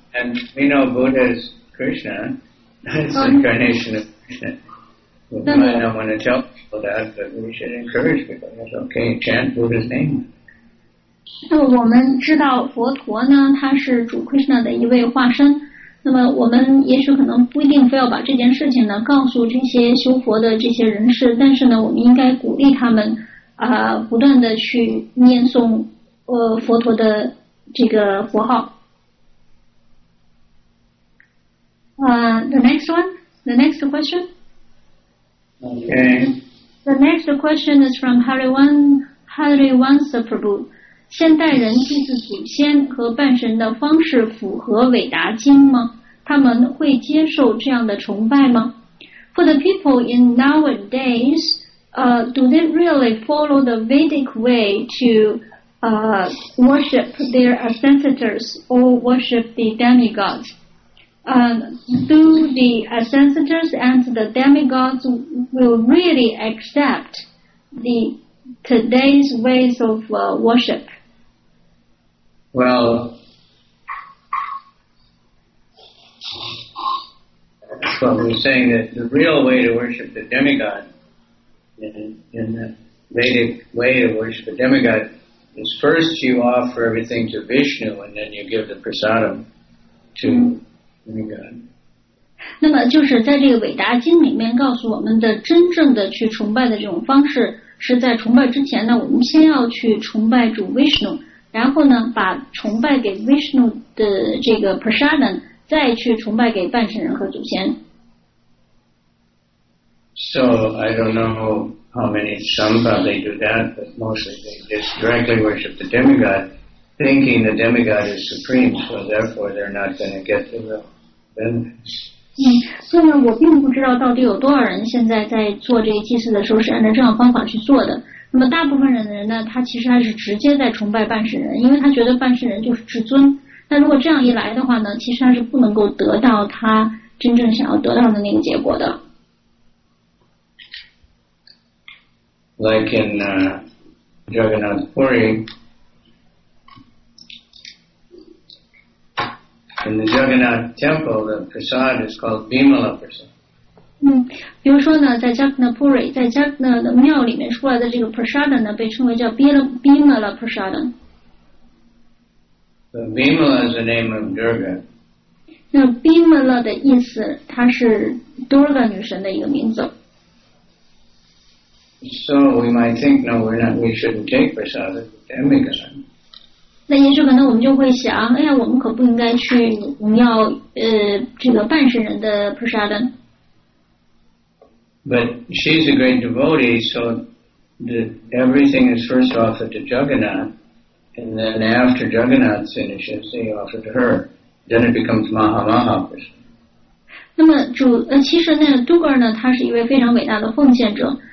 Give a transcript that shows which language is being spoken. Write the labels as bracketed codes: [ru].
[en] And we know Buddha is Krishna. That's the incarnation of Krishna. We might not want to tell people that, but we should encourage people. That's okay. Chant Buddha's name. [zh] 那么我们知道佛陀呢，他是主 Krishna 的一位化身。那么我们也许可能不一定非要把这件事情呢告诉这些修佛的这些人士，但是呢，我们应该鼓励他们不断的去念诵佛陀的这个佛号。 [en] The next question. Okay. The next question is from Hariwansa Prabhu. [zh] 现代人祭祀祖先和拜神的方式符合韦达经吗？他们会接受这样的崇拜吗？ [en] For the people in nowadays, do they really follow the Vedic way to worship their ancestors or worship the demigods? Do the ancestors and the demigods will really accept the today's ways of worship? Well, so we're saying that the real way to worship the demigod in the Vedic way to worship the demigod is first you offer everything to Vishnu and then you give the prasadam to the demigod. [zh] 那么就是在这个韦达经里面告诉我们的真正的去崇拜的这种方式是在崇拜之前呢我们先要去崇拜主 Vishnu。然后呢，把崇拜给 Vishnu 的这个 prasadam 再去崇拜给半神人和祖先。 [en] So I don't know how many Shambha they do that, but mostly they just directly worship the demigod, thinking the demigod is supreme, so therefore they're not going to get the real benefits. [zh] 所以呢，我并不知道到底有多少人现在在做这个祭祀的时候是按照这样方法去做的。那么大部分人的人呢，他其实还是直接在崇拜半神人，因为他觉得半神人就是至尊。那如果这样一来的话呢，其实他是不能够得到他真正想要得到的那个结果的。 [en] Like in Jagannath Puri, in the Jagannath Temple, the prasad is called Bimala prasad. [zh] 比如说呢，在 Jagannath Puri， 在 Jagannath 的庙里面出来的这个 prasadam 呢，被称为叫 Bimala prasadam。 [en] Bimala is the name of Durga。 [zh] 那 Bimala 的意思，它是 Durga 女神的一个名字。 [en] So we might think, no, we shouldn't take prasadam to the demigod。 [zh] 那也许可能我们就会想，哎呀，我们可不应该去要这个半神人的 prasadam。 [en] But she's a great devotee, so everything is first offered to Jagannath, and then after Jagannath finishes, they offer to her. Then it becomes Mahamaha Prasad. [zh] 那么主其实那 Dugar 呢，他是一位非常伟大的奉献者。